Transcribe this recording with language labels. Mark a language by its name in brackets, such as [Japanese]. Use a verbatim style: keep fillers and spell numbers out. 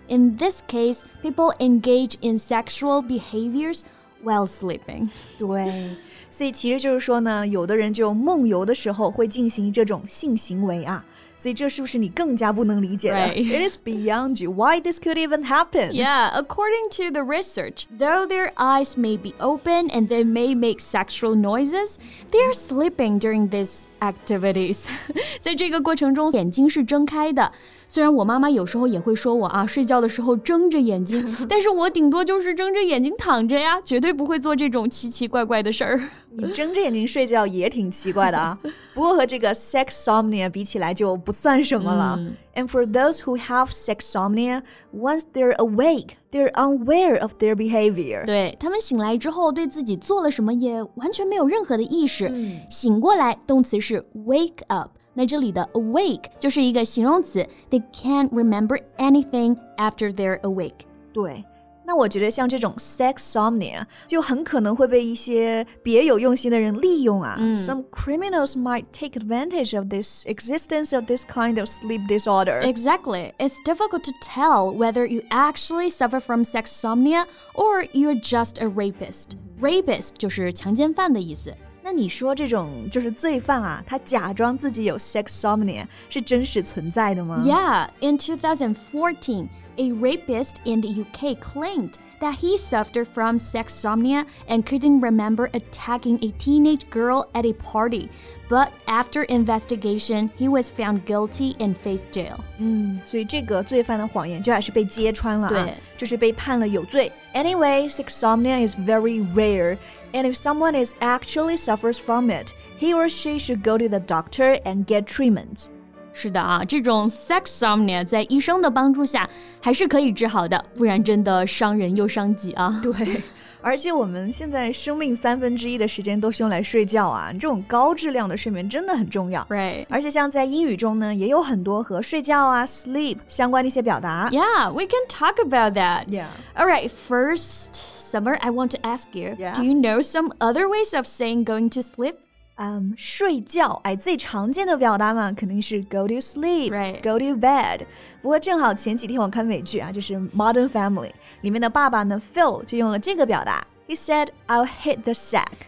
[English] In this case, people engage in sexual behaviors while sleeping. [Chinese] 对。所以其实就是说呢，有的人就梦游的时候会进行这种性行为啊，所以这是不是你更加不能理解的？ [English] Right. It is beyond you. Why this could even happen? Yeah, according to the research, though their eyes may be open and they may make sexual noises, they are sleeping during these activities. [Chinese] 在这个过程中，眼睛是睁开的。虽然我妈妈有时候也会说我啊，睡觉的时候睁着眼睛，但是我顶多就是睁着眼睛躺着呀，绝对不会做这种奇奇怪怪的事儿。你睁着眼睛睡觉也挺奇怪的啊，不过和这个 sexsomnia 比起来就不算什么了。 [English] 嗯、And for those who have sexsomnia, once they're awake, they're unaware of their behavior. [Chinese] 对，他们醒来之后对自己做了什么也完全没有任何的意识。嗯、醒过来，动词是 wake up。那这里的 awake 就是一个形容词 [English] They can't remember anything after they're awake. [Chinese] 对，那我觉得像这种 sexsomnia 就很可能会被一些别有用心的人利用啊。嗯、 [English] Some criminals might take advantage of this existence of this kind of sleep disorder. Exactly. It's difficult to tell whether you actually suffer from sexsomnia or you're just a rapist. [Chinese] Rapist 就是强奸犯的意思。那你说这种就是罪犯啊，他假装自己有 sexsomnia 是真实存在的吗？ [English] Yeah, in twenty fourteen, a rapist in the U K claimed that he suffered from sexsomnia and couldn't remember attacking a teenage girl at a party. But after investigation, he was found guilty and faced jail. [Chinese] 嗯，所以这个罪犯的谎言就还是被揭穿了啊，对，就是被判了有罪。 [English] Anyway, sexsomnia is very rare. And if someone is actually suffers from it, he or she should go to the doctor and get treatment. [Chinese] 是的啊，这种 sexsomnia 在医生的帮助下还是可以治好的，不然真的伤人又伤己啊。对，而且我们现在生命三分之一的时间都是用来睡觉啊，这种高质量的睡眠真的很重要。 [English] Right. [Chinese] 而且像在英语中呢，也有很多和睡觉啊 sleep 相关的一些表达。 [English] Yeah, we can talk about that. Yeah. All right, first.Summer, I want to ask you, yeah. do you know some other ways of saying going to sleep? [Chinese] 嗯，睡觉，哎，最常见的表达嘛，肯定是 go to sleep, [English] Right. [Chinese] go to bed。 不过正好前几天我看美剧啊，就是《Modern Family》里面的爸爸呢 Phil 就用了这个表达 ，He said, [English] "I'll hit the sack."